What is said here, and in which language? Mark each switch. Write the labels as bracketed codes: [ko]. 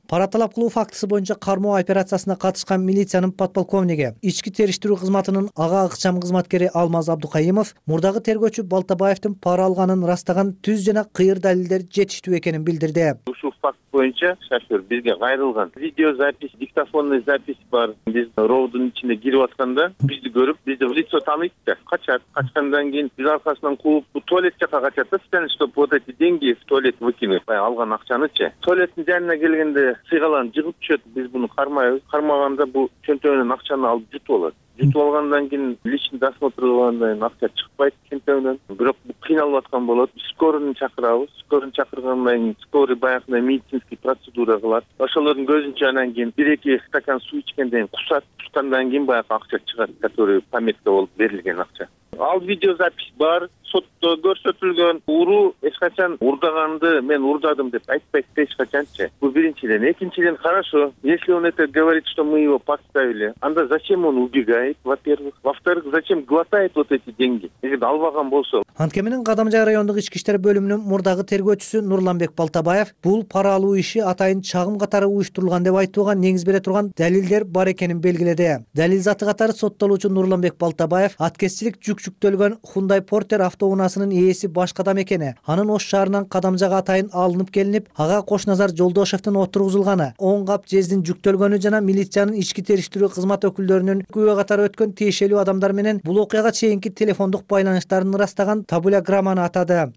[ky] Пара талап кылуу фактысы боюнча кармоо операциясына катышкан милициянын подполковниги, ички териштирүү кызматынын ага ыкчам кызматкери Алмаз Абдукаимов мурдагы тергөөчү Балтабаевдин пара алганын ырастаган түз жана кыйыр далилдер жетиштүү экенин билдирди. Ушул факт боюнча шофер бизге кайрылган. [ru] Видео запись, диктофонный запись [ky] бар. Биз роудун ичине кирип атканда бизди көрүп, бизди лицо тааныйт да, качат. Качкандан кийин биз аркасынан кууп туалет жака качат да, [ru] вот эти деньги в туалет выкинуть, [ky] бай, алган акчанычы. Туалеттин жанына келгенде сыйгалан жыгып түшөт, биз буну кармайбыз. Кармаганда бул чөнтөгүнөн акчаны алып жутуп алат. Жутуп алгандан кийин личный досмотр болгондон акча чыкпайт чөнтөгүнөн. Бирок бул кыйналып аткан болот. Скорууну чакырабыз. Скорууну чакыргандан кийин скорый баягындай медицинский процедура кылат. Ошолордун көзүнчө анан кийин 1-2 стакан суу ичкенден кийин кусат, кускандан кийин баягы акча чыгат, [ru] который [ky] пометка болуп берилген акча. Ал видеозапись бар, сотто көрсөтүлгөн. Уруу эч качан урдаганды мен урдадым деп айтпайт эч качанчы. Бул биринчиден. Экинчиден, [ru] хорошо, если он это говорит, что мы его подставили, [ky] анда [ru] зачем он убегает, во-первых? Во-вторых, зачем глотает вот эти деньги? [ky] Эгер албаган болсо. Анткеминин Кадамжай райондук ички иштер бөлүмүнүн мурдагы тергөөчүсү Нурланбек Балтабаев бул пара алуу иши атайын чагым катары уюштурулган деп айтууга негиз бере турган далилдер бар экенин белгиледи. Далил заты катары соттолуучу Нурланбек Балтабаев аткезчилик жүктөлгөн Hyundai Porter автоунаасынын ээси башка адам экени, анын Ош шаарынан Кадамжага атайын алынып келинип, ага Кош Назар Жолдошевдин отургузулганы, оң кап жездин жүктөлгөнү жана милициянын ички териштирүү кызмат өкүлдөрүнүн күйөө катары өткөн тиешелүү адамдар менен бул окуяга чейинки телефондук байланыштарын ырастаган табуляграмманы атады.